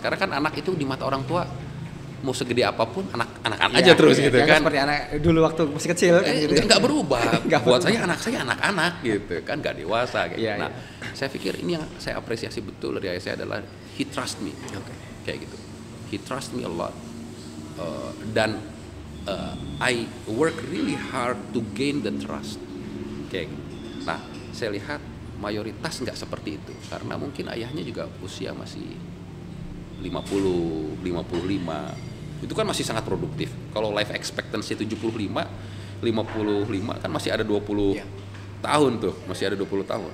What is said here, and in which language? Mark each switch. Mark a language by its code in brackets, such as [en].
[id] Karena kan anak itu di mata orang tua, mau segede apapun, anak-anak aja terus gitu kan. Seperti anak dulu waktu masih kecil. Gitu. Nggak berubah. Buat saya, anak saya anak-anak gitu. Kan nggak dewasa. Kayak. [en] Yeah, [id] nah, saya pikir ini yang saya apresiasi betul dari ayah saya adalah, [en] he trust me. Okay. [id] Kayak gitu. [en] He trust me a lot. [id] Dan [en] I work really hard to gain the trust. [id] Kayak gitu. Nah, saya lihat mayoritas nggak seperti itu. Karena mungkin ayahnya juga usia masih 50-55. Itu kan masih sangat produktif. Kalau life expectancy 75 kan masih ada 20 tahun tuh. Masih ada 20 tahun.